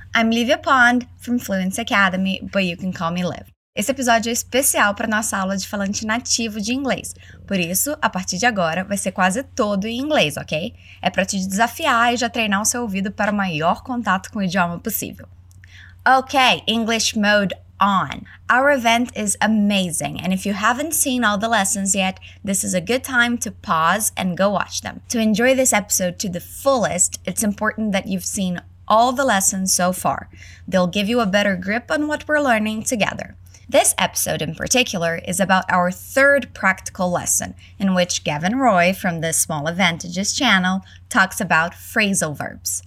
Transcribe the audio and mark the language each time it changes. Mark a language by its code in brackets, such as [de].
[en] I'm Livia Pond from Fluency Academy, but you can call me Liv. [pt] Esse episódio é especial para nossa aula de falante nativo de inglês. Por isso, a partir de agora, vai ser quase todo em inglês, ok? É para te desafiar e já treinar o seu ouvido para o maior contato com o idioma possível. [en] Ok, English mode on. Our event is amazing, and if you haven't seen all the lessons yet, this is a good time to pause and go watch them. To enjoy this episode to the fullest, it's important that you've seen all the lessons so far. They'll give you a better grip on what we're learning together. This episode in particular is about our third practical lesson, in which Gavin Roy from the Small Advantages channel talks about phrasal verbs.